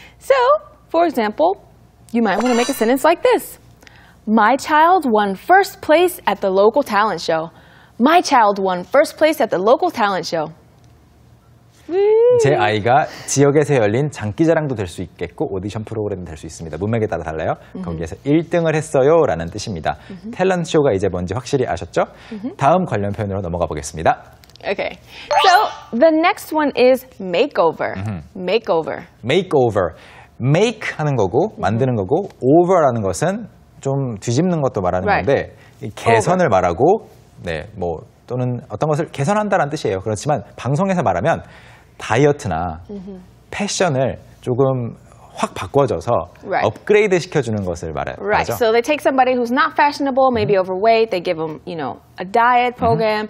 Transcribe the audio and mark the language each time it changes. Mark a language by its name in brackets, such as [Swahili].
[English] So, for example, you might want to make a sentence like this. My child won first place at the local talent show. My child won first place at the local talent show. [Korean] 제 아이가 지역에서 열린 장기자랑도 될 수 있겠고 오디션 프로그램도 될 수 있습니다. 문맥에 따라 달라요. [English] Mm-hmm. [Korean] 거기에서 1등을 했어요 라는 뜻입니다. [English] Mm-hmm. [Korean] 탤런트 쇼가 이제 뭔지 확실히 아셨죠? Mm-hmm. 다음 관련 표현으로 넘어가 보겠습니다. [English] Okay. So the next one is makeover. Mm-hmm. Makeover. [Korean] Makeover. Make 하는 거고 mm-hmm. 만드는 거고 over라는 것은 좀 뒤집는 것도 말하는 [English] right. [Korean] 건데 개선을 over. 말하고 네, 뭐 또는 어떤 것을 개선한다라는 뜻이에요. 그렇지만 방송에서 말하면 다이어트나 [English] mm-hmm. [Korean] 패션을 조금 확 바꿔줘서 [English] right. [Korean] 업그레이드 시켜주는 것을 말해요. [English] Right. [Korean] 맞아? [English] So they take somebody who's not fashionable, maybe mm-hmm. overweight. They give them, you know, a diet program.